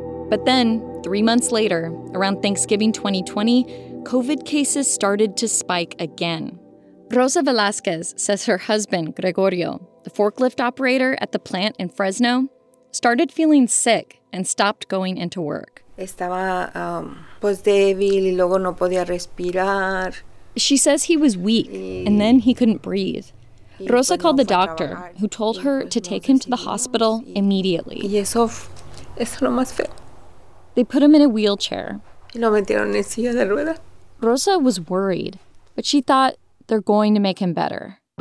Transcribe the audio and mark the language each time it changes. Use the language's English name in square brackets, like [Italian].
[English] But then, 3 months later, around Thanksgiving 2020, COVID cases started to spike again. Rosa Velasquez says her husband, Gregorio, the forklift operator at the plant in Fresno, started feeling sick and stopped going into work. [Spanish] Estaba pues débil y luego no podía respirar. [English] She says he was weak, and then he couldn't breathe. Rosa called the doctor, who told her to take him to the hospital immediately. [Spanish] Y eso, eso lo más feo. [English] They put him in a wheelchair. [Spanish] Y lo metieron en silla de rueda. [English] Rosa was worried, but she thought they're going to make him better.